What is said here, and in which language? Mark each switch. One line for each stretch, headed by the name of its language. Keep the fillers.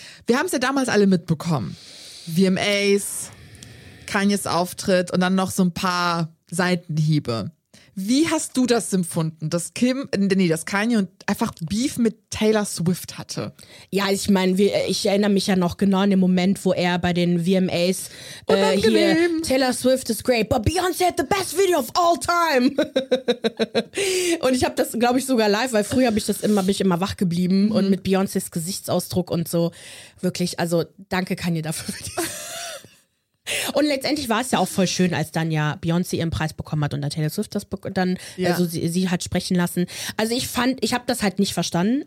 German: Wir haben es ja damals alle mitbekommen. VMAs, Kanyes Auftritt und dann noch so ein paar Seitenhiebe. Wie hast du das empfunden, dass Kim, äh, nee, dass Kanye und einfach Beef mit Taylor Swift hatte? Ja, ich meine, wir- ich erinnere mich ja noch genau an den Moment, wo er bei den VMAs äh, hier Unangenehm.
English: Taylor Swift is great, but Beyoncé had the best video of all time.
German: und ich habe das, glaube ich, sogar live, weil früher habe ich das immer, bin ich immer wach geblieben und mit Beyoncés Gesichtsausdruck und so wirklich. Also danke Kanye dafür. für dieses- Und letztendlich war es ja auch voll schön, als dann ja Beyoncé ihren Preis bekommen hat und dann Taylor Swift das bek- dann, Ja. also sie, sie hat sprechen lassen. Also ich fand, ich habe das halt nicht verstanden.